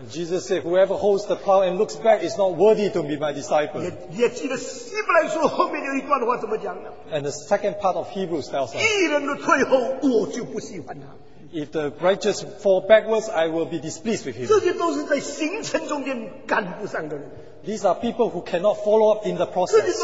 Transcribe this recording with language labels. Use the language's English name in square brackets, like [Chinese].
[English] Jesus said, whoever holds the plow and looks back is not worthy to be my disciple. [Chinese] 也记得希伯来书后面有一段话怎么讲呢？ [English] And the second part of Hebrews tells us, [Chinese] 义人的退后我就不喜欢他。 [English] If the righteous fall backwards, I will be displeased with him. [Chinese] 这些都是在行程中间赶不上的人。 [English] These are people who cannot follow up in the process.